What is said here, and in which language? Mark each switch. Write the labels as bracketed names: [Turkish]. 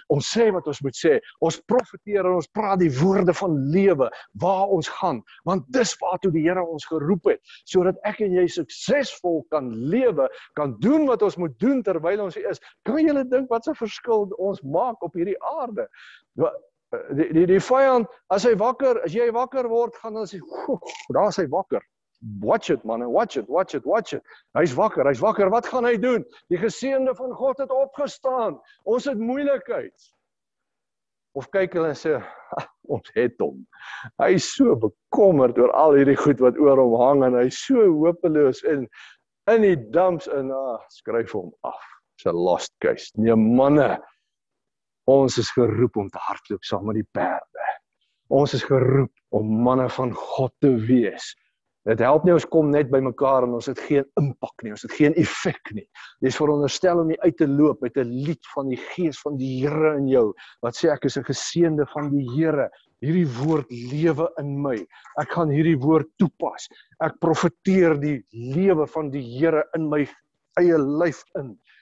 [Afrikaans] Ons sê wat ons moet sê. Ons profeteer en ons praat die woorde van lewe waar ons gaan, want dis waartoe die Here ons geroep het, sodat ek en jy suksesvol kan lewe, kan doen wat ons moet doen terwyl ons hier is. Kan julle dink wat 'n verskil ons maak op hierdie aarde? Die vijand, as hy wakker, as jy wakker word, gaan dan sê, daar is hy wakker. [English] Watch it, man, watch it. [Afrikaans] Hy is wakker, wat gaan hy doen? Die geseënde van God het opgestaan, ons het moeilikheid. Of kyk hulle en sê, ons het hom. Hy is so bekommerd oor al hierdie goed wat oor hom hang, en hy is so hopeloos in die dumps, en skryf hom af, [English] it's a lost case. [Afrikaans] Nee, manne, ons is geroep om te hardloop saam met die perde. Ons is geroep om manne van God te wees. Dit help nie, ons kom net by mekaar en ons het geen impak nie, ons het geen effek nie. Jy is veronderstel om nie uit te loop met 'n lied van die gees van die Here in jou, wat sê ek is 'n geseënde van die Here. Hierdie woord lewe in my. Ek gaan hierdie woord toepas. Ek profeteer die lewe van die Here in my eie lyf in.